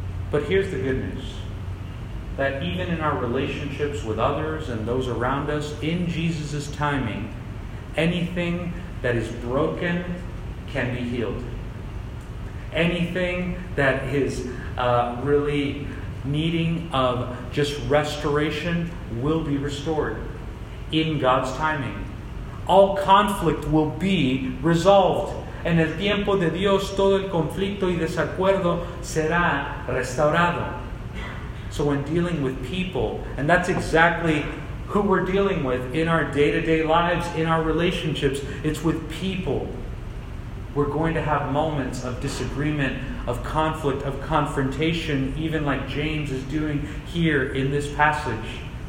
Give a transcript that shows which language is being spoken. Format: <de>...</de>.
<en>But here's the good news, that even in our relationships with others and those around us, in Jesus' timing, anything that is broken can be healed. Anything that is really needing of just restoration will be restored in God's timing. All conflict will be resolved.</en> <es>En el tiempo de Dios, todo el conflicto y desacuerdo será restaurado.</es> <en>So when dealing with people, and that's exactly who we're dealing with in our day-to-day lives, in our relationships, it's with people. We're going to have moments of disagreement, of conflict, of confrontation, even like James is doing here in this passage.</en>